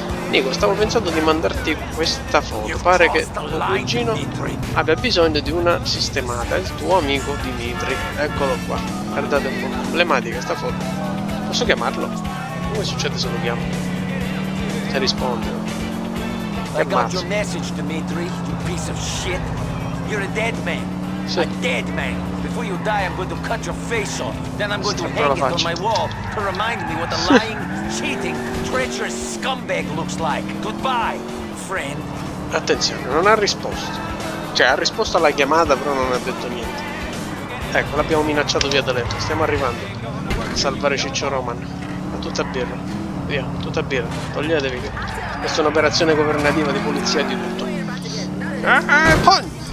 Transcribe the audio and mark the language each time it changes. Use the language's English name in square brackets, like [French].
[Italian] Nico, stavo pensando di mandarti questa foto. Pare che tuo cugino abbia bisogno di una sistemata. Il tuo amico Dimitri. Eccolo qua. Guardate un po' problematica sta foto. Posso chiamarlo? Come succede se lo chiamo? Se risponde. [English] I got your message, Dimitri, you piece of shit. You're a dead man. [Italian] Sì. [English] A dead man. Before you die, I'm going to cut your face off. Then I'm going to hang it on my wall to remind me what a lying, cheating, treacherous scumbag looks like. Goodbye, friend. [Italian] Attenzione, non ha risposto. Cioè, ha risposto alla chiamata, però non ha detto niente. Ecco, l'abbiamo minacciato via da letto. Stiamo arrivando. Salvare Ciccio Roman. Ma tutta birra. Via, tutta birra. Toglietevi. Questa è un'operazione governativa di polizia di tutto. Pong!